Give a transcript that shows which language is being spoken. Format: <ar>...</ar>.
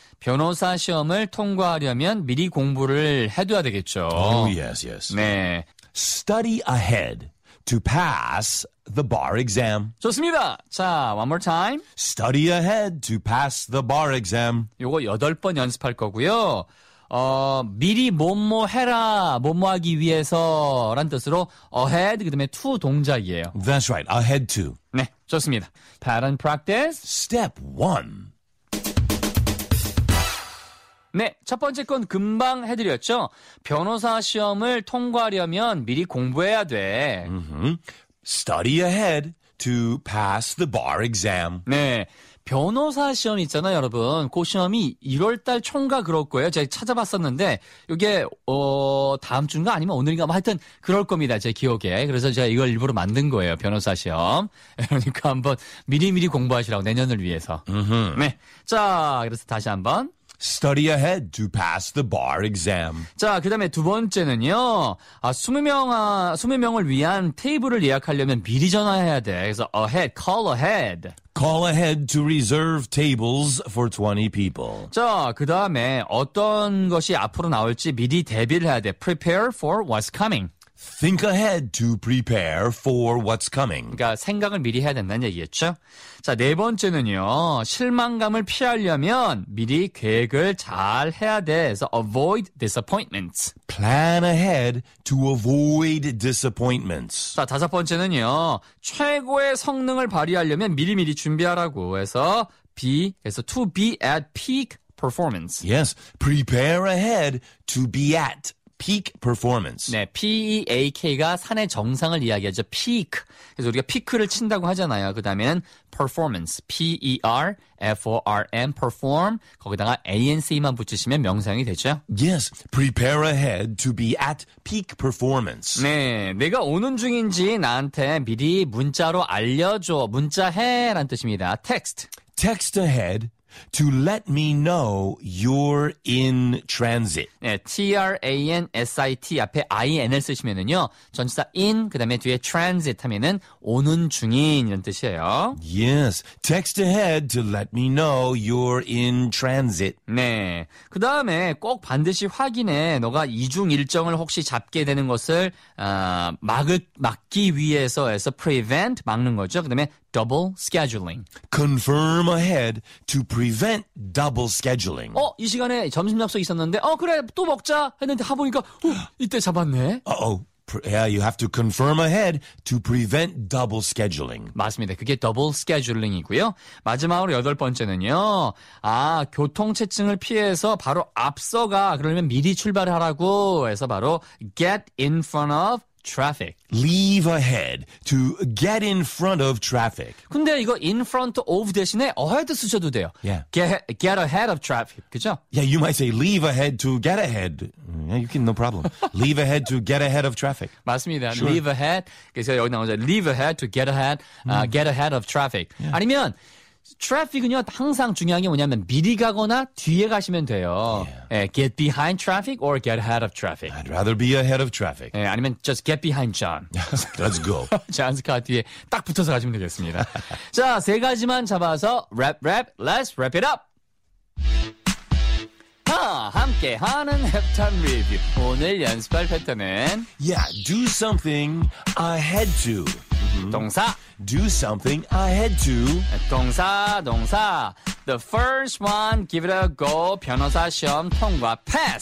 <ko>변호사 시험을 통과하려면 미리 공부를 해둬야 되겠죠.</ko> <en>Oh, yes, yes.</en> <ko>네.</ko> <en>Study ahead to pass the bar exam.</en> <ko>좋습니다. 자,</ko> <en>one more time. Study ahead to pass the bar exam.</en> <ko>요거 8번 연습할 거고요. 미리 뭐뭐 해라, 뭐뭐 하기 위해서 라는 뜻으로 ahead, 그 다음에 to 동작이에요.</ko> <en>That's right, ahead to.</en> <ko>네, 좋습니다.</ko> <en>Pattern practice. Step 1.</en> <ko>네, 첫 번째 건 금방 해드렸죠. 변호사 시험을 통과하려면 미리 공부해야 돼. Mm-hmm.</ko> <en>Study ahead to pass the bar exam.</en> <ko>네, 변호사 시험 있잖아요, 여러분. 그 시험이 1월달 초인가 그럴 거예요. 제가 찾아봤었는데 이게 다음 주인가 아니면 오늘인가 뭐 하여튼 그럴 겁니다, 제 기억에. 그래서 제가 이걸 일부러 만든 거예요, 변호사 시험. 그러니까 한번 미리미리 공부하시라고, 내년을 위해서. Mm-hmm. 네, 자, 그래서 다시 한번.</ko> <en>Study ahead to pass the bar exam.</en> <ko>자, 그 다음에 두 번째는요. 20명을 위한 테이블을 예약하려면 미리 전화해야 돼.</ko> <en>그래서 ahead, call ahead. Call ahead to reserve tables for 20 people.</en> <ko>자, 그 다음에 어떤 것이 앞으로 나올지 미리 대비를 해야 돼.</ko> <en>Prepare for what's coming. Think ahead to prepare for what's coming.</en> <ko>그러니까 생각을 미리 해야 된다는 얘기였죠. 자, 네 번째는요. 실망감을 피하려면 미리 계획을 잘 해야 돼.</ko> <en>그래서 avoid disappointments. Plan ahead to avoid disappointments.</en> <ko>자, 다섯 번째는요. 최고의 성능을 발휘하려면 미리미리 준비하라고 해서 be, 그래서</ko> <en>to be at peak performance. Yes, prepare ahead to be at peak performance.</en> <ko>네, P-E-A-K가 산의 정상을 이야기하죠.</ko> <en>Peak.</en> <ko>그래서 우리가 peak를 친다고 하잖아요. 그 다음에는 performance.</ko> <en>P-E-R-F-O-R-M, perform.</en> <ko>거기다가 A-N-C만 붙이시면 명상이 되죠.</ko> <en>Yes, prepare ahead to be at peak performance.</en> <ko>네, 내가 오는 중인지 나한테 미리 문자로 알려줘. 문자해란 뜻입니다. Text.</ko> <en>Text ahead. To let me know you're in transit.</en> <ko>네, T-R-A-N-S-I-T 앞에 I-N을 쓰시면은요, 전치사 in, 그 다음에 뒤에 transit 하면은 오는 중인 이런 뜻이에요.</ko> <en>Yes, text ahead to let me know you're in transit.</en> <ko>네, 그 다음에 꼭 반드시 확인해. 너가 이중 일정을 혹시 잡게 되는 것을 막기 위해서 해서 prevent, 막는 거죠. 그 다음에 double scheduling.</ko> <en>Confirm ahead to prevent double scheduling.</en> <ko>이 시간에 점심 약속 있었는데 그래 또 먹자 했는데 하보니까 이때 잡았네.</ko> <en>Yeah, you have to confirm ahead to prevent double scheduling.</en> <ko>맞습니다. 그게 double scheduling이고요. 마지막으로 여덟 번째는요. 교통체증을 피해서 바로 앞서가. 그러면 미리 출발하라고 해서 바로</ko> <en>get in front of traffic. Leave ahead to get in front of traffic.</en> <ko>근데 이거 in front of 대신에 ahead 쓰셔도 돼요.</ko> <en>Yeah. Get ahead of traffic. 그죠? Yeah, you might say leave ahead to get ahead. Yeah, you can, no problem. Leave ahead to get ahead of traffic.</en> <ko>맞습니다.</ko> <en>Sure. Leave ahead.</en> <ko>그래서 여기 나오죠.</ko> <en>Leave ahead to get ahead, get ahead of traffic. Yeah.</en> <ko>아니면 traffic은요, 항상 중요한 게 뭐냐면 미리 가거나 뒤에 가시면 돼요.</ko> <en>Yeah. Get behind traffic or get ahead of traffic. I'd rather be ahead of traffic. 아니면 just get behind John. Let's go.</en> <ko>John's car 뒤에 딱 붙어서 가시면 되겠습니다. 자, 세 가지만 잡아서 랩,</ko> <en>let's wrap it up.</en> <ko>함께하는 Halftime Review. 오늘 연습할 패턴은</ko> <en>Yeah, do something ahead to.</en> <ko>동사</ko> <en>do something ahead to 동사 the first one give it a go</en> <ko>변호사 시험 통과</ko> <en>pass</en>